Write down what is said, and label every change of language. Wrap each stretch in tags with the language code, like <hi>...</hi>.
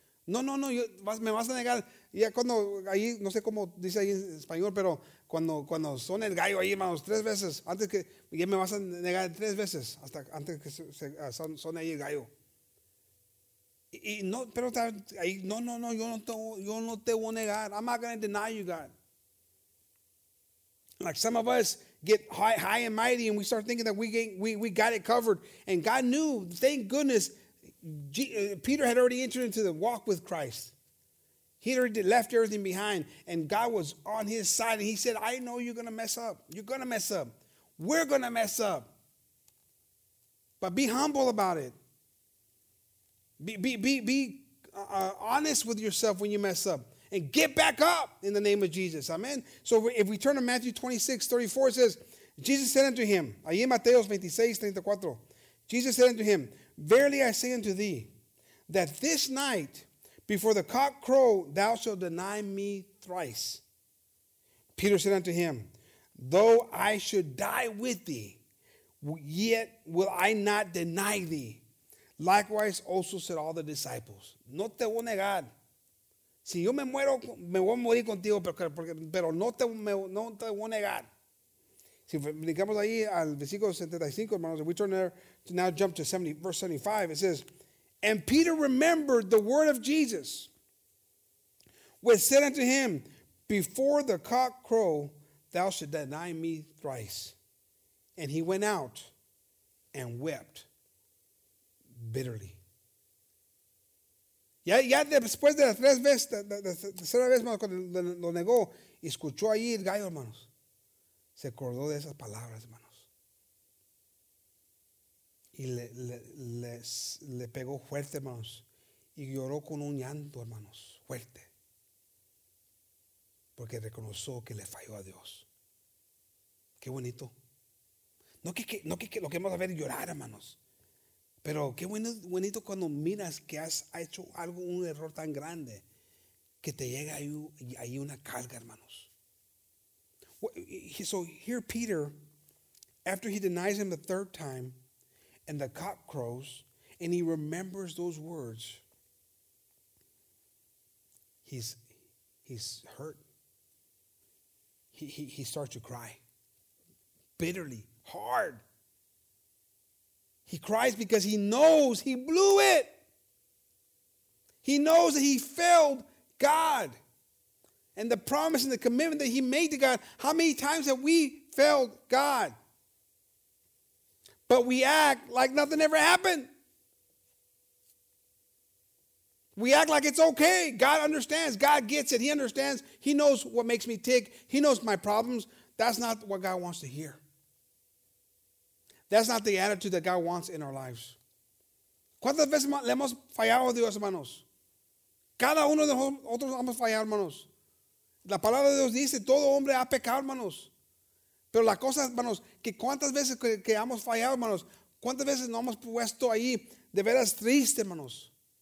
<es>No, no, no, yo, me vas a negar. Y ya cuando ahí, no sé cómo dice ahí en español, pero cuando son el gallo ahí, hermanos, tres veces, antes que, ya me vas a negar tres veces, hasta antes que son ahí el gallo. Y no, pero está ahí, no, no, no, yo no te voy a negar.</es> <en>I'm not going to deny you, God. Like some of us get high and mighty and we start thinking that we got it covered. And God knew, thank goodness, Peter had already entered into the walk with Christ. He had already left everything behind. And God was on his side. And he said, I know you're going to mess up. You're going to mess up. We're going to mess up. But be humble about it. Be honest with yourself when you mess up. And get back up in the name of Jesus. Amen. So if we turn to Matthew 26:34, it says, Jesus said unto him, ahí en Mateo 26:34, Jesus said unto him, verily I say unto thee, that this night, before the cock crow, thou shalt deny me thrice. Peter said unto him, though I should die with thee, yet will I not deny thee. Likewise also said all the disciples. No te voy a negar.</en> <es>Si yo me muero, me voy a morir contigo, pero no te voy a negar.</es> <en>Si brincamos ahí al versículo 75, hermanos, we turn there to now jump to 70, verse 75. It says, and Peter remembered the word of Jesus, which said unto him, before the cock crow, thou should deny me thrice. And he went out and wept bitterly.</en> <es>Ya después de las tres veces, la tercera vez, cuando lo negó, escuchó ahí el gallo, hermanos. Se acordó de esas palabras, hermanos. Y le pegó fuerte, hermanos. Y lloró con un llanto, hermanos. Fuerte. Porque reconoció que le falló a Dios. Qué bonito. No que lo queremos ver llorar, hermanos. Pero qué bonito cuando miras que has hecho algo, un error tan grande, que te llega ahí una carga, hermanos.</es> <en>So here Peter, after he denies him the third time, and the cock crows, and he remembers those words, he's hurt. He starts to cry bitterly, hard. He cries because he knows he blew it. He knows that he failed God. And the promise and the commitment that he made to God, how many times have we failed God? But we act like nothing ever happened. We act like it's okay. God understands. God gets it. He understands. He knows what makes me tick. He knows my problems. That's not what God wants to hear. That's not the attitude that God wants in our lives.</en> <es>¿Cuántas veces le hemos fallado a Dios, hermanos? Cada uno de nosotros hemos fallado, hermanos. La palabra de Dios dice, todo hombre ha pecado, hermanos. Pero la cosa, hermanos, que cuántas veces que hemos fallado, hermanos, cuántas veces nos hemos puesto ahí de veras triste, hermanos.</es>